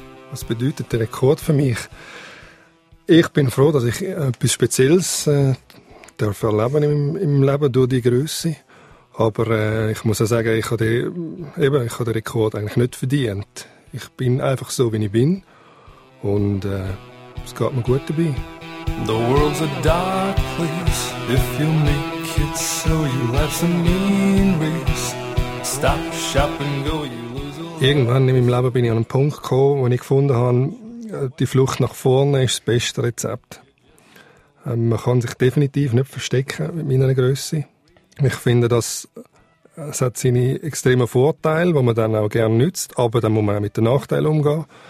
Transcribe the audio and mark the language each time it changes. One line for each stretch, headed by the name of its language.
German: Was bedeutet der Rekord für mich? Ich bin froh, dass ich etwas Spezielles erleben im Leben durch die Grösse. Aber ich muss auch sagen, ich habe den Rekord eigentlich nicht verdient. Ich bin einfach so, wie ich bin. Und es geht mir gut dabei.
English: The world's a dark place. If you make it so, you'll have some mean ways. Stop, shop and go, you.
German: Irgendwann in meinem Leben bin ich an einen Punkt gekommen, wo ich gefunden habe, die Flucht nach vorne ist das beste Rezept. Man kann sich definitiv nicht verstecken mit meiner Größe. Ich finde, es hat seine extremen Vorteile, die man dann auch gerne nützt, aber dann muss man auch mit den Nachteilen umgehen.